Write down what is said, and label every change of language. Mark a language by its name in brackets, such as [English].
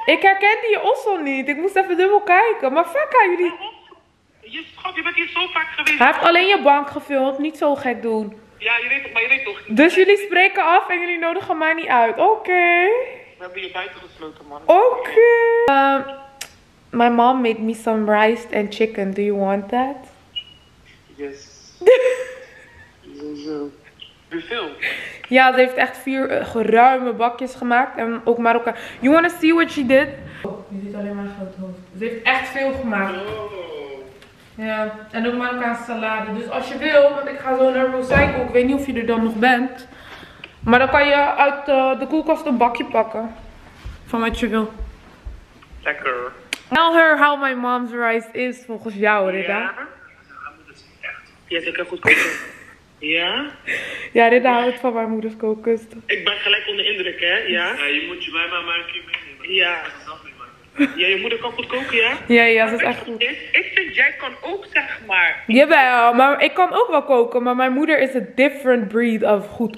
[Dutch] Ik herkende je ossel niet. Ik moest even dubbel kijken. Maar fuck, gaan jullie... Je schat, je bent hier zo vaak geweest. Hij heeft alleen je bank gefilmd, niet zo gek doen. Ja, je weet toch, maar je weet toch. Dus jullie spreken af en jullie nodigen mij niet uit. Oké. Okay. We hebben je buiten gesloten, man. Oké. Okay. [English] My mom made me some rice and chicken. Do you want that? Yes. [Dutch] Hoeveel? Ja, ze heeft echt 4 geruime bakjes gemaakt. En ook Marokka. [English] You wanna see what she did? [Dutch] Oh, je ziet alleen maar een groot hoofd. Ze heeft echt veel gemaakt. Oh. Ja, en ook Marokkaanse salade. Dus als je wil, want ik ga zo naar Recycle. Ik weet niet of je er dan nog bent. Maar dan kan je uit de koelkast een bakje pakken. Van wat je wil. Lekker. [English] Tell her how my mom's rice is [Dutch] volgens jou, [English] Ridda. [Dutch] Ja, dat is echt. Ja, zeker goed koken. Ja? Ja, Ridda houdt van mijn moeders koken. Ik ben gelijk onder indruk, hè? Ja, je moet je bij mij maar een keer meenemen. Ja. Ja, je moeder kan goed koken, ja? Ja, ja, dat is echt goed. Ik vind jij kan ook, zeg maar. Jawel, maar ik kan ook wel koken, maar mijn moeder is [English] a different breed of [Dutch] goed